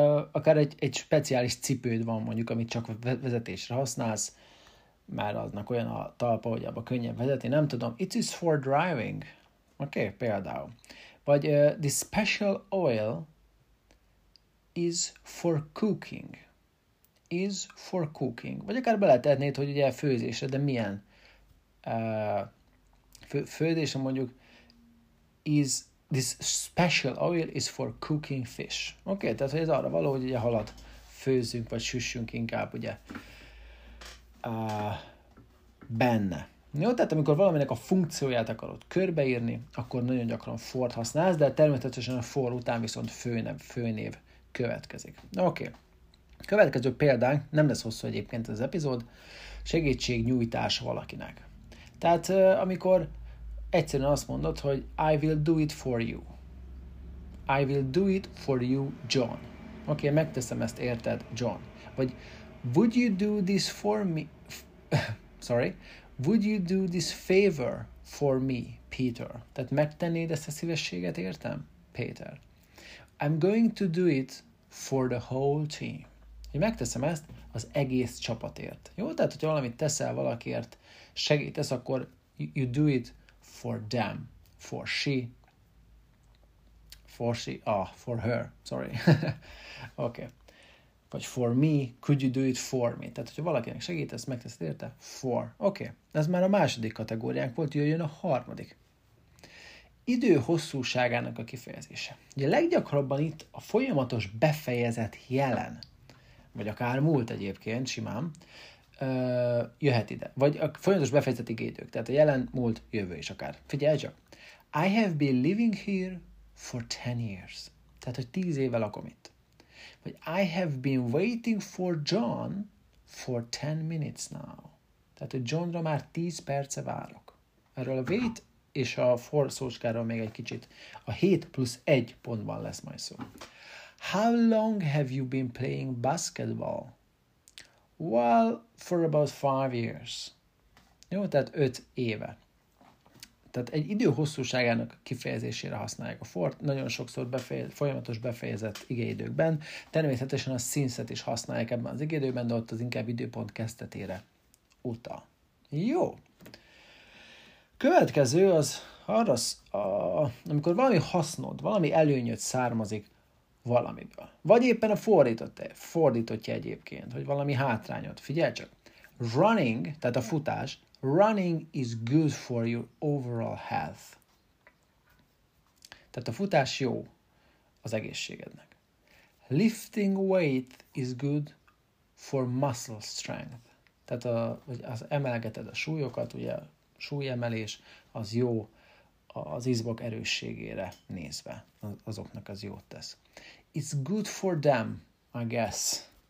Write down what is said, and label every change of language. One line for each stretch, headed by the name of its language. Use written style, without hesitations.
Hungarian: Akár egy speciális cipőd van mondjuk, amit csak vezetésre használsz, mert aznak olyan a talpa, hogy abba könnyebb vezetni, nem tudom.
English: It is for driving. Oké, okay,
Hungarian: például. Vagy
English: the special oil is for cooking.
Hungarian: Is for cooking. Vagy akár beletehetnéd, hogy ugye főzésre, de milyen főzésre mondjuk
English: is this special oil is for cooking fish.
Hungarian: Oké, okay, tehát hogy ez arra való, hogy ugye halat főzünk, vagy süssünk inkább ugye benne. Jó, tehát amikor valaminek a funkcióját akarod körbeírni, akkor nagyon gyakran for-t használsz, de természetesen a for után viszont főnév következik. Oké. Okay. Következő példánk, nem lesz hosszú egyébként az epizód, segítségnyújtás valakinek. Tehát amikor egyszerűen azt mondod, hogy
English: I will do it for you. I will do it for you, John. Oké, okay,
Hungarian: megteszem ezt, érted,
English: John.
Hungarian: Vagy
English: would you do this for me? Sorry. Would you do this favor for me, Peter?
Hungarian: Tehát megtennéd ezt a szívességet, értem, Peter?
English: I'm going to do it for the whole team.
Hungarian: Én megteszem ezt az egész csapatért. Jó, tehát, hogyha valamit teszel valakiért, segítesz, akkor
English: you do it for them, for her.
Hungarian: Oké. Vagy
English: for me, could you do it for me?
Hungarian: Tehát, hogyha valakinek segítesz, megteszed érte? For. Oké. Okay. Ez már a második kategóriánk volt, jöjjön a harmadik. Idő hosszúságának a kifejezése. Ugye leggyakrabban itt a folyamatos befejezett jelen, vagy akár múlt egyébként, simán, jöhet ide. Vagy a folyamatos befejezett igédők. Tehát a jelen, múlt, jövő is akár. Figyelj csak.
English: I have been living here for 10 years.
Hungarian: Tehát, hogy 10 éve lakom itt. Vagy
English: I have been waiting for John for 10 minutes now.
Hungarian: Tehát, hogy Johnra már 10 perce várok. Erről a wait és a for szócskáról még egy kicsit. A 7 plusz 1 pontban lesz majd szó.
English: How long have you been playing basketball? Well, for about 5 years.
Hungarian: Jó, tehát 5 éve. Tehát egy idő hosszúságának kifejezésére használják a fort, nagyon sokszor folyamatos befejezett igeidőkben. Természetesen a since-et is használják ebben az igeidőben, de ott az inkább időpont kezdetére utal. Jó. Következő az arra, amikor valami hasznod, valami előnyöd származik valamiből. Vagy éppen a fordítottja egyébként, hogy valami hátrányod. Figyelj csak.
English: Running,
Hungarian: tehát a futás,
English: running is good for your overall health.
Hungarian: Tehát a futás jó az egészségednek.
English: Lifting weight is good for muscle strength.
Hungarian: Tehát az emelgeted a súlyokat, ugye súlyemelés az jó az izmok erősségére nézve. Azoknak az jót tesz.
English: It's good for them, I guess.